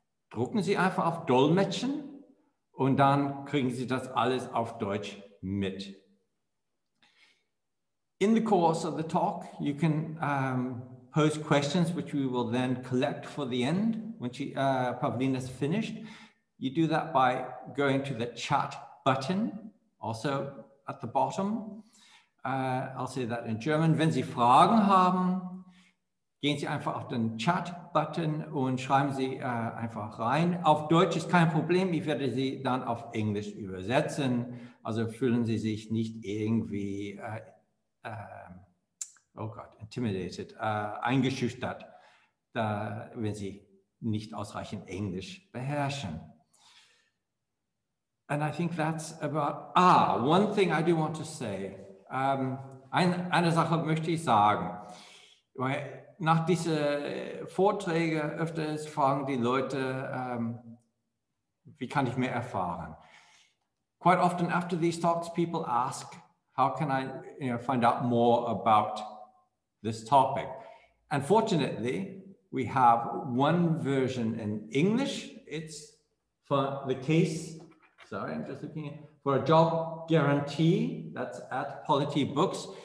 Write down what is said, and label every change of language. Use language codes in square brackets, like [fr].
[de] Drucken Sie einfach auf Dolmetschen und dann kriegen Sie das alles auf Deutsch mit. [en] In the course of the talk, you can pose questions, which we will then collect for the end when Pavlina's finished. You do that by going to the chat button, also at the bottom. I'll say that in German. [de] Wenn Sie Fragen haben, gehen Sie einfach auf den Chat-Button und schreiben Sie einfach rein. Auf Deutsch ist kein Problem, ich werde Sie dann auf Englisch übersetzen. Also fühlen Sie sich nicht irgendwie, [en] intimidated, [de] eingeschüchtert, da, wenn Sie nicht ausreichend Englisch beherrschen. [en] And I think that's about, one thing I do want to say. [de] Eine Sache möchte ich sagen. Nach diesen Vorträgen öfters fragen die Leute, wie kann ich mehr erfahren? [en] Quite often after these talks, people ask, how can I, you know, find out more about this topic? And fortunately, we have one version in English. It's for the case, for a job guarantee, that's at Polity Books.